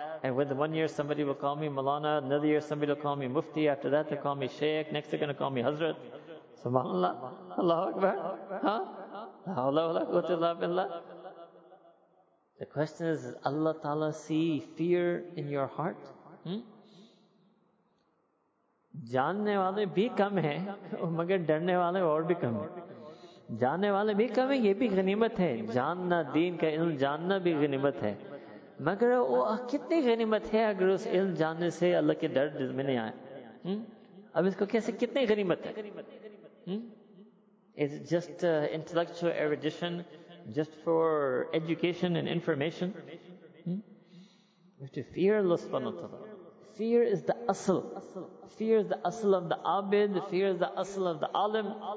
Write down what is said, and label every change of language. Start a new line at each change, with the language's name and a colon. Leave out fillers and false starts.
English: And with 1 year somebody will call me Maulana, another year somebody will call me Mufti, after that they'll call me Shaykh, next they're going to call me Hazrat.
Arabic: Subhanallah. Allahu Akbar. Huh? La haula wa la billah.
English: The question is, Allah Ta'ala see fear in your heart?
Urdu: جاننے والے بھی کم ہیں مگر ڈرنے والے اور بھی کم ہیں. جاننے والے بھی کم ہیں, یہ بھی غنیمت ہے. جاننا, دین کا علم جاننا بھی غنیمت ہے, مگر وہ کتنی غنیمت ہے اگر اس علم جاننے سے اللہ کے ڈر دل میں نہیں آئے. اب اس کو کیسے, کتنی غنیمت ہے.
English: It's just intellectual erudition, just for education and information. We have to fear Allah subhanahu wa ta'ala. Fear is the asl. Fear is the asl of the abid. Fear is the asl of the alim.